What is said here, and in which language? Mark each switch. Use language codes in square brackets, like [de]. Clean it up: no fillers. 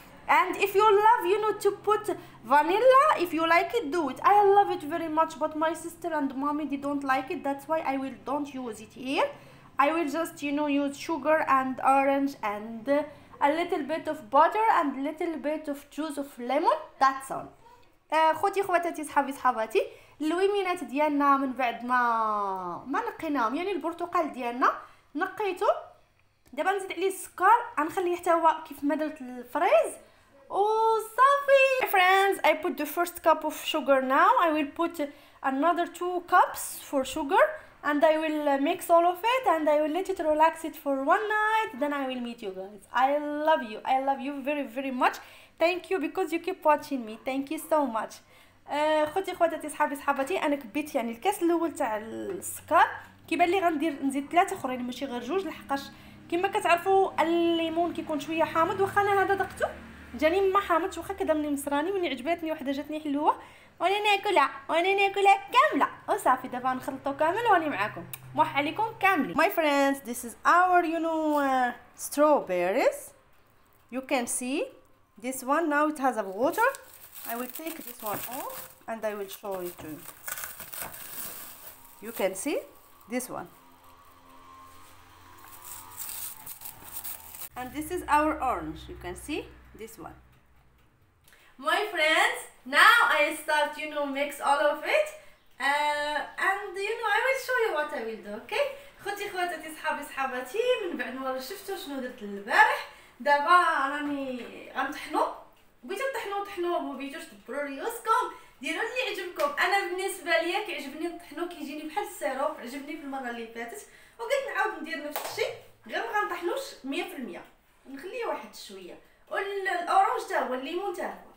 [en] And if you love, you know, to put vanilla, if you like it, do it. I love it very much, but my sister and mommy they don't like it. That's why I will don't use it here. I will just you know use sugar and orange and. A little bit of butter and little bit of juice of lemon. That's all. [ar] خوتي خواتاتي صحابي صحباتي، اللويمينات ديالنا من بعد ما نقيناهم، يعني البرتقال ديالنا نقيته، دابا نزيد عليه السكر، غنخليه حتى هو كيف ما درت الفريز وصافي. [en] Friends, I put the first cup of sugar now. I will put another two cups for sugar. And I will mix all of it and I will let it relax it for one night. Then I will meet you guys. I love you very very much. Thank you because you keep watching me. Thank you so much. [ar] خوتي خواتاتي صحابي صحباتي، انا كبيت يعني الكاس الاول تاع السكر، كيبان لي غندير نزيد ثلاثه اخرين ماشي غير جوج، لحقاش كما كتعرفوا الليمون كيكون شويه حامض، واخا انا هذا ذقته جاني ما حامضش، واخا كدمني مسراني وني عجبتني وحده جاتني حلوه وانا ناكلها وانا ناكلها كامله وصافي. دابا نخلطو كامل واني معاكم موح عليكم كاملين. [en] My friends, this is our you know strawberries. You can see this one now it has a water. I will take this one off and I will show it to you. You can see this one and this is our orange. You can see this one. My friends, now I start, you know, mix all of it, and you know, I will show you what I will do. Okay? [ar] خوتي خواتاتي صحابي صحباتي، من بعد ما شفتوا شنو درت البارح، دابا راني غنطحنو، بغيتو طحنو طحنو، ما بغيتوش تبرو ريوسكم، ديروا اللي عجبكم. انا بالنسبة ليا كيعجبني نطحنو، كيجيني بحال السيروب، عجبني في المرة اللي فاتت، وقلت نعاود ندير نفس الشيء، غير ما غنطحنوش 100%، نخليه واحد شوية، والأورانج تا هو الليمون تا هو.